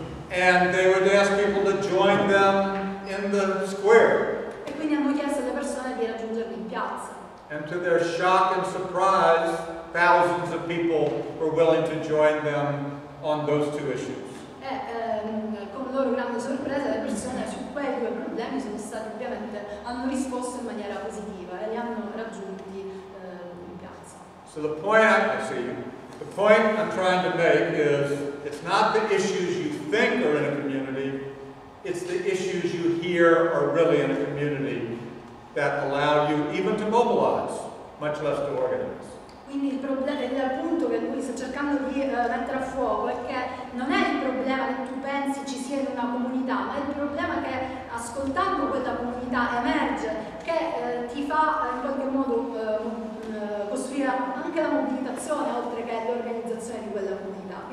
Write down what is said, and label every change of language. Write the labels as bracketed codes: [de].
[en] And they would ask people to join them in the square. [it] E quindi hanno chiesto alle persone di raggiungerli in piazza. [en] And to their shock and surprise, thousands of people were willing to join them on those two issues. [it] E con loro grande sorpresa, le persone su quei due problemi sono state ovviamente hanno risposto in maniera positiva e li hanno raggiunti in piazza. [en] So the point I see. The point I'm trying to make is, it's not the issues you think are in a community, it's the issues you hear are really in a community that allow you even to mobilize, much less to organize. [it] Quindi il problema, il punto che lui sta cercando di mettere a fuoco è che non è il problema che tu pensi ci sia in una comunità, ma è il problema che ascoltando quella comunità emerge, che ti fa in qualche modo costruire anche la mobilitazione oltre che l'organizzazione di quella comunità.